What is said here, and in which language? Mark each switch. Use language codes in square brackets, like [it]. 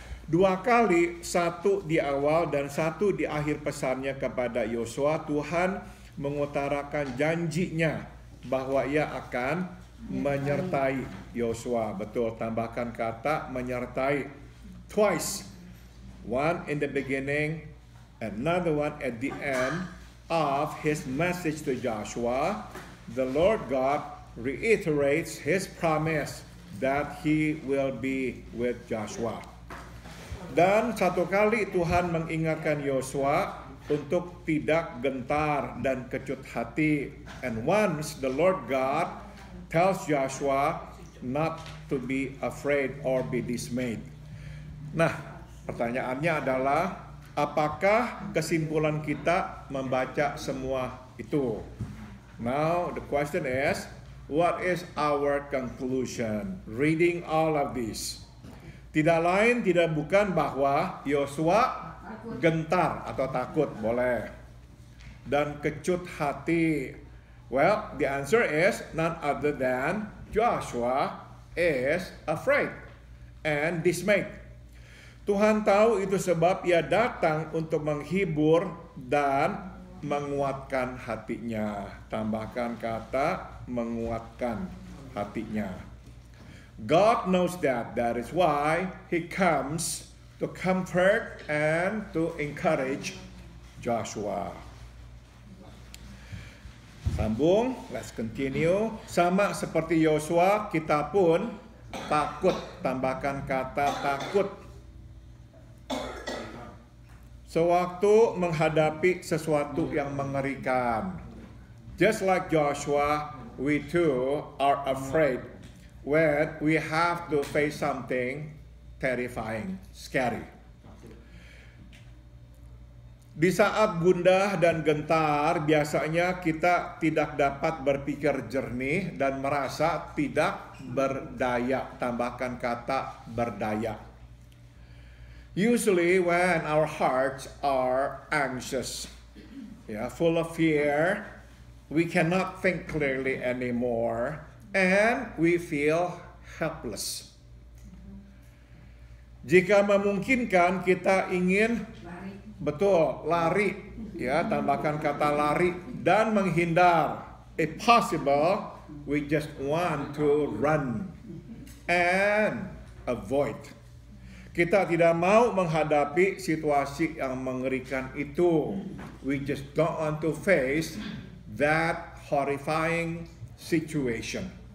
[id] Dua kali, satu di awal dan satu di akhir pesannya kepada Yosua, Tuhan mengutarakan janjinya bahwa ia akan menyertai Yosua. Betul, tambahkan kata menyertai. [en] Twice, one in the beginning, another one at the end of his message to Joshua, the Lord God reiterates his promise that he will be with Joshua. [id] Dan satu kali Tuhan mengingatkan Yosua untuk tidak gentar dan kecut hati. [en] And once the Lord God tells Joshua not to be afraid or be dismayed. [id] Nah, pertanyaannya adalah, apakah kesimpulan kita membaca semua itu? [en] Now the question is, what is our conclusion reading all of this? [id] Tidak lain, tidak bukan bahwa Yosua gentar atau takut, boleh. Dan kecut hati. [en] Well, the answer is none other than Joshua is afraid and dismayed. [id] Tuhan tahu itu sebab ia datang untuk menghibur dan menguatkan hatinya. Tambahkan kata menguatkan hatinya. [en] God knows that. That is why he comes to comfort and to encourage Joshua. [id] Sambung, [en] let's continue. [id] Sama seperti Yosua, kita pun takut. Tambahkan kata takut. Sewaktu menghadapi sesuatu yang mengerikan. [en] Just like Joshua, we too are afraid when we have to face something terrifying, scary. [id] Di saat gundah dan gentar, biasanya kita tidak dapat berpikir jernih dan merasa tidak berdaya. Tambahkan kata berdaya. [en] Usually when our hearts are anxious, yeah, full of fear, we cannot think clearly anymore. And we feel helpless. [id] Jika memungkinkan kita ingin lari. Betul, lari. Ya, tambahkan kata lari dan menghindar. [en] If possible, we just want to run and avoid. [id] Kita tidak mau menghadapi situasi yang mengerikan itu. [en] We just don't want to face that horrifying situation.